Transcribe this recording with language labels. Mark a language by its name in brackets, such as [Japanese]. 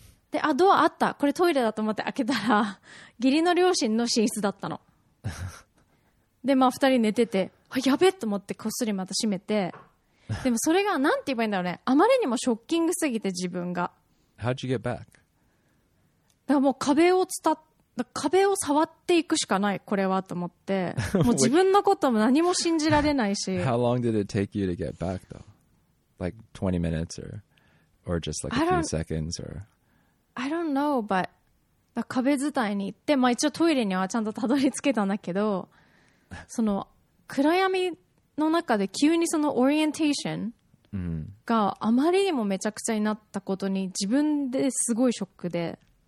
[Japanese] で、あ、ドアあった、これトイレだと思って開けたら義理の両親の寝室だったので、まあ二人寝てて、あ、やべと思ってこっそりまた閉めて、でもそれがなんて言えばいいんだろうね、あまりにもショッキングすぎて自分が [English] How'd you get back? [Japanese] だからもう壁を伝って壁を触っていくしかないこれはと思って、もう自分のことも何も信じられないし。 [English] How long did it take you to get back though? Like 20 minutes or just like a few seconds or? I don't know, but [Japanese] 壁伝いに行って、まあ一応トイレにはちゃんとたどり着けたんだけど、その暗闇の中で急にそのオリエンテーションがあまりにもめちゃくちゃになったことに自分ですごいショックで。